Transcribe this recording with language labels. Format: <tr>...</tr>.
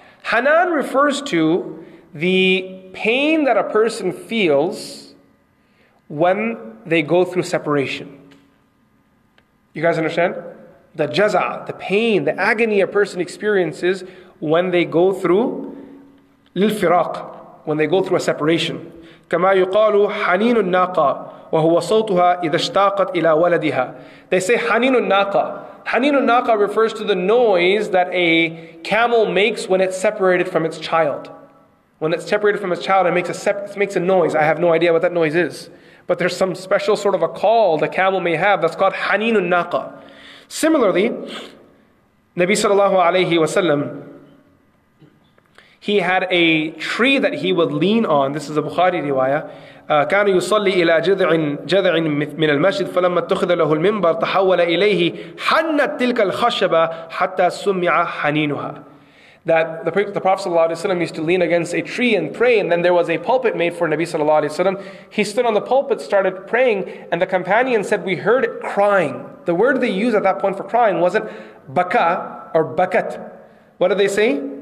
<en>Hanan refers to the pain that a person feels when they go through separation. You guys understand? The jaza, the pain, the agony a person experiences when they go through lil-firaq, when they go through a separation.</en> <ar>كما يقال حنين الناقة وهو صوتها إذا اشتاقت إلى ولدها.</ar> <en>They say حنين الناقة. حنين الناقة refers to the noise that a camel makes when it's separated from its child. When it's separated from its child, it makes a noise. I have no idea what that noise is. But there's some special sort of a call the camel may have that's called حنين الناقة. Similarly, Nabi sallallahu alayhi wa sallam, he had a tree that he would lean on. This is a Bukhari riwaya.</en> <ar>كان يصلي إلى جذع من المسجد فلما اتخذ له المنبر تحول إليه حنت تلك الخشبة حتى سمع حنينها.</ar> <en>that the Prophet ﷺ used to lean against a tree and pray, and then there was a pulpit made for Nabi sallallahu alaihi wasallam. He stood on the pulpit, started praying, and the companion said, "We heard it crying." The word they used at that point for crying wasn't baka or bakat. What did they say?</en>